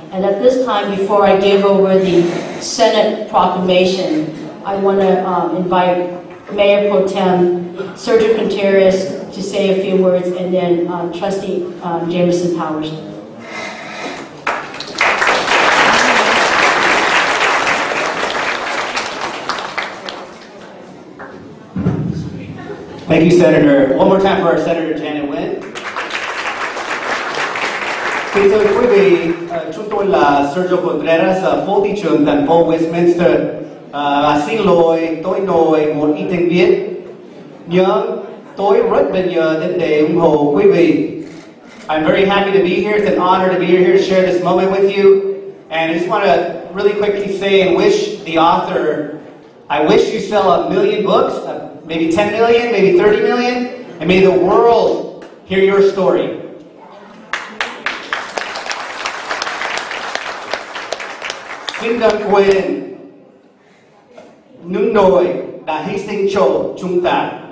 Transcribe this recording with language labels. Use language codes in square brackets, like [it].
[en] And at this time, before I give over the Senate proclamation, I want to invite Mayor Pro Tem Sergio Contreras to say a few words, and then Trustee Jameson Powers. Thank you, Senator. One more time for our Senator Janet Nguyen. [vi] Xin thưa quý vị, chúng tôi là Sergio Contreras, phó thị trưởng thành phố Westminster. Xin lỗi, tôi nói một ít tiếng Việt. Nhưng tôi rất bình thường đến để ủng hộ quý vị. [en] I'm very happy to be here. It's an honor to be here to share this moment with you. And I just want to really quickly say and wish the author, I wish you sell a million books, maybe 10 million, maybe 30 million, and may the world hear your story. [vi] Xin đừng quên những người đã hy sinh cho chúng ta.